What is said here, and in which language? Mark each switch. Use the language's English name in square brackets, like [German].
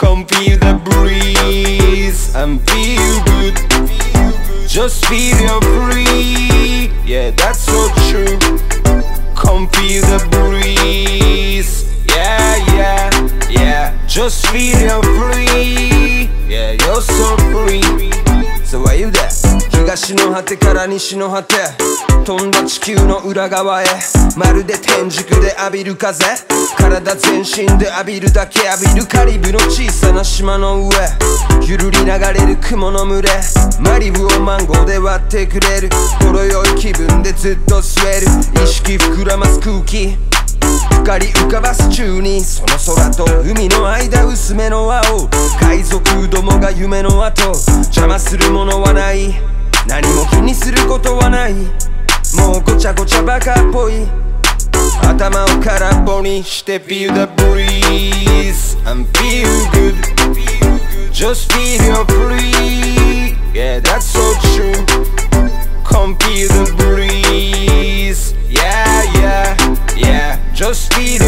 [English] Come feel the breeze and feel good. Just feel your free, yeah, that's so true. Come feel the breeze, yeah, yeah, yeah. Just feel your free, yeah, you're so free. So why you there? [Japanese] 東の果てから西の果て、飛んだ地球の裏側へ。まるで天竺で浴びる風、体全身で浴びるだけ。浴びるカリブの小さな島の上、ゆるり流れる雲の群れ。マリブをマンゴーで割ってくれる、ほろ酔い気分でずっと吸える。意識膨らます空気、光浮かばす宙に。その空と海の間、薄めの青、海賊どもが夢の後。邪魔するものはない、何も気にすることはない。もうごちゃごちゃバカっぽい。頭を空っぽにして、 [English] Feel the breeze and feel good. Just feel your free, yeah, that's so true. Come feel the breeze, yeah, yeah, yeah. Just feel